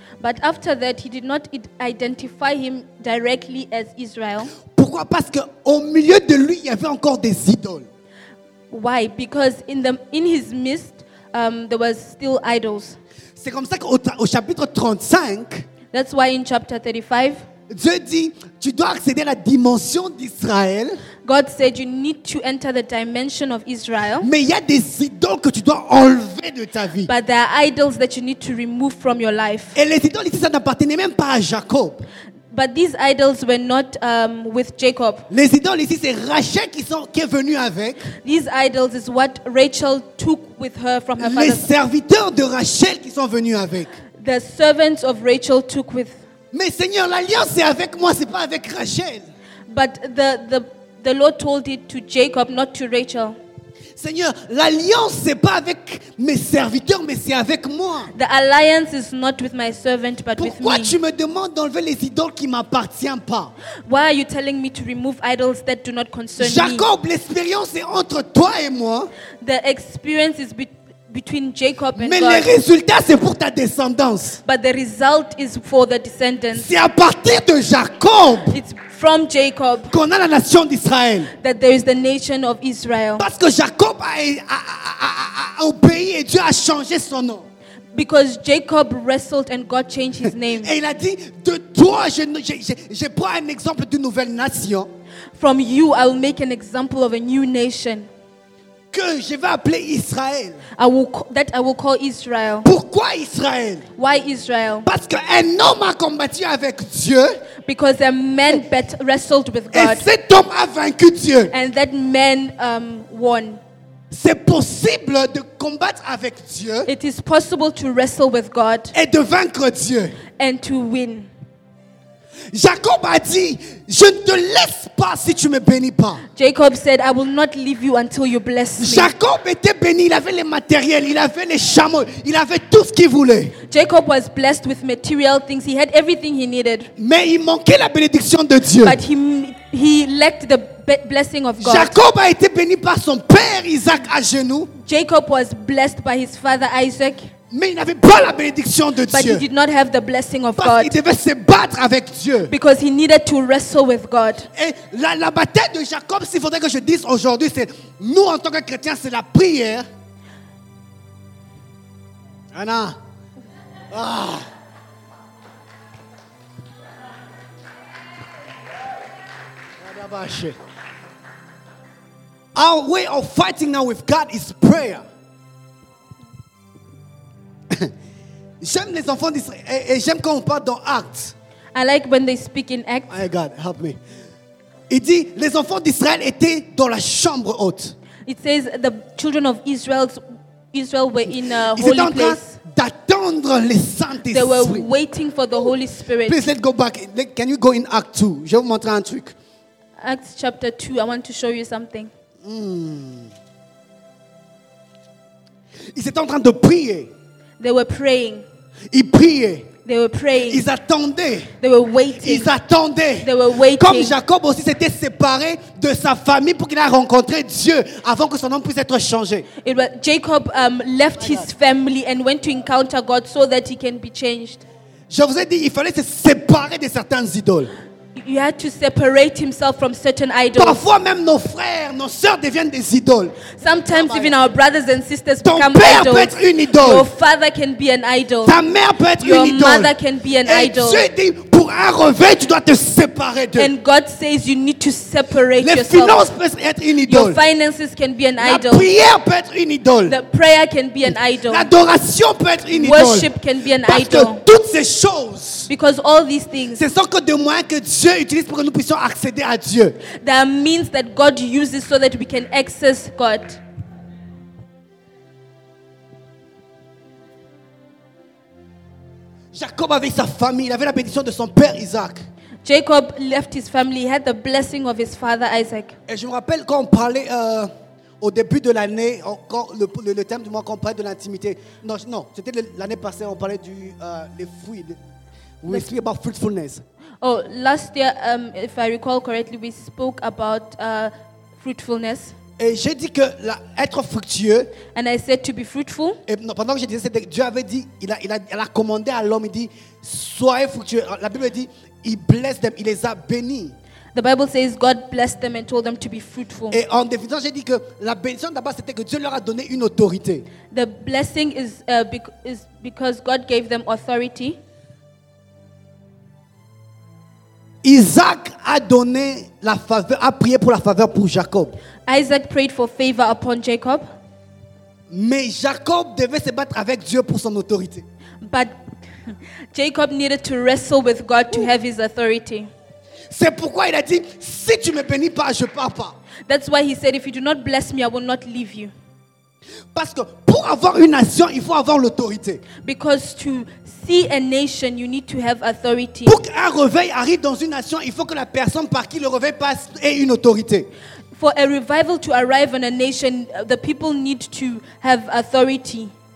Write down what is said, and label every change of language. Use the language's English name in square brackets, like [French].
[English] But after that, he did not identify him directly as Israel. [French] Pourquoi? Parce que au milieu de lui, il y avait encore des idoles. [English] Why? Because in his midst, there was still idols. [French] C'est comme ça qu'au chapitre 35. [English] That's why in chapter 35. [French] Dieu dit, tu dois accéder à la dimension d'Israël. [English] God said you need to enter the dimension of Israel. [French] Mais il y a des idoles que tu dois enlever de ta vie. [English] But there are idols that you need to remove from your life. [French] Et les idoles ici, ça n'appartenait même pas à Jacob. [English] But these idols were not with Jacob. [French] Les idoles ici, c'est Rachel qui est venue avec. [English] These idols is what Rachel took with her from her father. [French] Les serviteurs de Rachel qui sont venus avec. [English] The servants of Rachel took with. [French] Mais Seigneur, l'alliance est avec moi, c'est pas avec Rachel. [English] But the Lord told it to Jacob, not to Rachel. [French] Seigneur, l'alliance c'est pas avec mes serviteurs, mais c'est avec moi. [English] The alliance is not with my servant, but [French] pourquoi [English] with me. [French] Pourquoi tu me demandes d'enlever les idoles qui m'appartiennent pas? [English] Why are you telling me to remove idols that do not concern [French] Jacob, [English] me? [French] L'expérience est entre toi et moi. [English] The experience is between Jacob and [French] mais [English] God. [French] Les résultats c'est pour ta descendance. [English] But the result is for the descendants. [French] C'est à partir de Jacob. [English] It's from Jacob. [French] Qu'on a la nation d'Israël. [English] That there is the nation of Israel. [French] Parce que Jacob a obéi et Dieu a changé son nom. [English] Because Jacob wrestled and God changed his name. [French] Et il a dit de toi je prends un exemple d'une nouvelle nation. [English] From you I will make an example of a new nation. [French] Que je vais appeler Israël. [English] I will call Israel. [French] Pourquoi Israël? [English] Why Israel? [French] Parce qu'un homme a combattu avec Dieu. [English] Because a man wrestled with God. [French] Et cet homme a vaincu Dieu. [English] And that man won. [French] C'est possible de combattre avec Dieu. [English] It is possible to wrestle with God. [French] Et de vaincre Dieu. [English] And to win. [French] Jacob a dit, je ne te laisse pas si tu ne me bénis pas. [English] Jacob said, I will not leave you until you bless me. [French] Jacob était béni, il avait les matériels, il avait les chameaux, il avait tout ce qu'il voulait. [English] Jacob was blessed with material things, he had everything he needed. [French] Mais il manquait la bénédiction de Dieu. [English] But he lacked the blessing of God. [French] Jacob a été béni par son père Isaac à genoux. [English] Jacob was blessed by his father Isaac. [French] Mais il n'avait pas la bénédiction de [English] but [French] Dieu. [English] He did not have the blessing of [French] parce [English] God. [French] Qu'il devait se battre avec Dieu. [English] Because he needed to wrestle with God. [French] Et la bataille de Jacob, s'il faudrait que je dise aujourd'hui, c'est nous en tant que chrétiens, c'est la prière. Anna. Ah. Madabashi. [English] Our way of fighting now with God is prayer. [French] J'aime les enfants d'Israël et j'aime quand on parle dans Actes. [English] I like when they speak in Acts. My God, help me. [French] Il dit les enfants d'Israël étaient dans la chambre haute. [English] It says the children of Israel were in a [French] ils [English] holy [French] en train [English] place. [French] D'attendre les Saint-Esprit. [English] They were waiting for the Holy Spirit. Please let's go back. Can you go in Acts 2? [French] Je vais vous montrer un truc. [English] Acts chapter 2. I want to show you something. [French] Ils étaient en train de prier. [English] They were praying. [French] Ils priaient. [English] They were praying. [French] Ils attendaient. [English] They were waiting. [French] Ils attendaient. [English] They were waiting. [French] Comme Jacob aussi s'était séparé de sa famille pour qu'il ait rencontré Dieu avant que son nom puisse être changé. [English] It was Jacob left his family and went to encounter God so that he can be changed. [French] Je vous ai dit, il fallait se séparer de certaines idoles. [English] he had to separate himself from certain idols. [French] Parfois même nos frères, nos sœurs deviennent des idoles. [English] Sometimes even our brothers and sisters [French] ton [English] become idols. [French] Ton père peut être une idole. [English] Your father can be an idol. [French] Ta mère peut être [English] your [French] une idole. [English] Your mother can be an [French] et [English] idol. [French] Dieu dit, pour un revêt, tu dois te séparer d'eux. [English] And God says you need to separate [French] les [English] yourself. [French] Les finances peuvent être une idole. [English] Your finances can be an [French] la [English] idol. [French] La prière peut être une idole. [English] The prayer can be an idol. [French] L'adoration peut être une idole. [English] Worship can be an [French] parce [English] idol. [French] Parce que toutes ces choses. [English] Because all these things. [French] C'est sans que de moyens que Dieu utilise pour que nous puissions accéder à Dieu. [English] There are means that God uses so that we can access God. [French] Jacob avait sa famille, il avait la bénédiction de son père Isaac. [English] Jacob left his family, he had the blessing of his father Isaac. [French] Et je me rappelle quand on parlait au début de l'année, quand le thème du mois qu'on parlait de l'intimité. Non, c'était l'année passée, on parlait du les fruits. [English] We speak about fruitfulness. Oh, last year, if I recall correctly, we spoke about fruitfulness. [French] Et j'ai dit que la, être fructueux. [English] And I said to be fruitful. [French] Et non, pendant que j'ai dit, Dieu avait dit, il a commandé à l'homme, il dit, soyez fructueux. La Bible dit, il [English] blesse them, [French] il les a bénis. [English] The Bible says God blessed them and told them to be fruitful. [French] Et en définition, j'ai dit que la bénédiction d'abord c'était que Dieu leur a donné une autorité. [English] The blessing is because God gave them authority. [French] Isaac a donné la faveur, a prié pour la faveur pour Jacob. [English] Isaac prayed for favor upon Jacob. [French] Mais Jacob devait se battre avec Dieu pour son autorité. [English] But Jacob needed to wrestle with God to have his authority. [French] C'est pourquoi il a dit, si tu me bénis pas, je pars pas. [English] That's why he said, if you do not bless me, I will not leave you. [French] Parce que pour avoir une nation, il faut avoir l'autorité. [English] Because to see a nation, you need to have authority. [French] Pour qu'un réveil arrive dans une nation, il faut que la personne par qui le réveil passe ait une autorité. [English] For a revival to arrive in a nation, the people need to have authority.